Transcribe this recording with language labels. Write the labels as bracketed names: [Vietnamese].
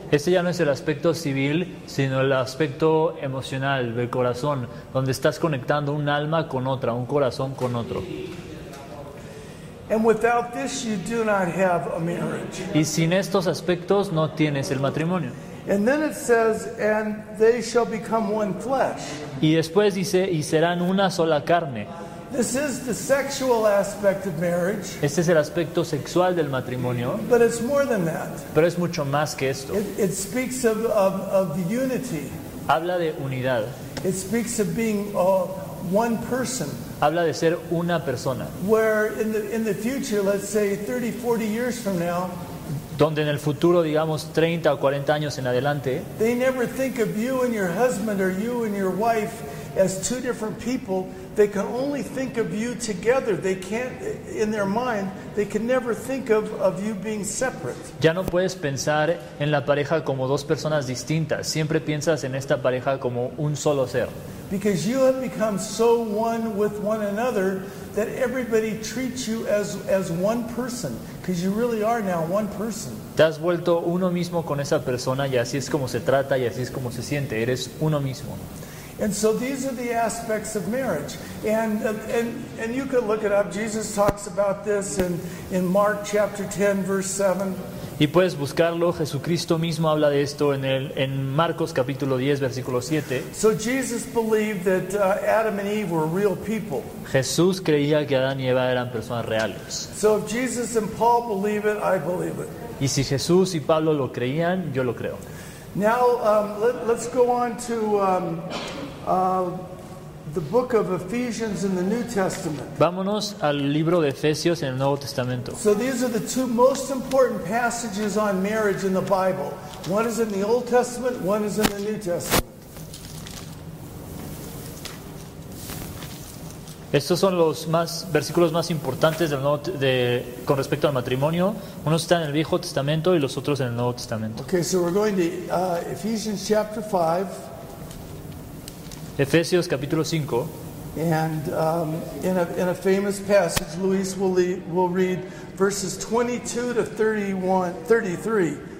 [Spanish] Este ya no es el aspecto civil, sino el aspecto emocional del corazón, donde estás conectando un alma con otra, un corazón con otro. [English] And without this, you do not have a marriage. [Spanish] Y sin estos aspectos no tienes el matrimonio. [English] And then it says, and they shall become one flesh. [Spanish] Y después dice, y serán una sola carne. [English] This is the sexual aspect of marriage. [Spanish] Este es el aspecto sexual del matrimonio. [English] But it's more than that. [Spanish] Pero es mucho más que esto. [English] It speaks of the unity. [Spanish] Habla de unidad. [English] It speaks of being one person. [Spanish] Habla de ser una persona. [English] Where in the future, let's say 30, 40 years from now, [Spanish] donde en el futuro, digamos, 30 o 40 años en adelante, [English] they never think of you and your husband or you and your wife as two different people. They can only think of you together. They can't, in their mind, they can never think of you being separate. [Spanish] Ya no puedes pensar en la pareja como dos personas distintas. Siempre piensas en esta pareja como un solo ser. [English] Because you have become so one with one another that everybody treats you as one person. Because you really are now one person. [Spanish] Te has vuelto uno mismo con esa persona y así es como se trata y así es como se siente. Eres uno mismo. [English] And so these are the aspects of marriage. And you can look it up. Jesus talks about this in Mark chapter 10, verse 7. [Spanish] Y puedes buscarlo. Jesucristo mismo habla de esto en Marcos capítulo 10, versículo 7. [English] So Jesus believed that Adam and Eve were real people. [Spanish] Jesús creía que Adán y Eva eran personas reales. [English] So if Jesus and Paul believe it, I believe it. [Spanish] Y si Jesús y Pablo lo creían, yo lo creo. [English] Now let's go on to the book of Ephesians in the New Testament. [Spanish] Vámonos al libro de Efesios en el Nuevo Testamento. [English] So these are the two most important passages on marriage in the Bible. One is in the Old Testament, one is in the New Testament. [Spanish] Estos son los más versículos más importantes del con respecto al matrimonio. Uno está en el Viejo Testamento y los otros en el Nuevo Testamento. [English] Okay, so we're going to Ephesians chapter 5. [Spanish] Efesios capítulo 5. [English] And in a famous passage, Luis will read verses 22 to 33.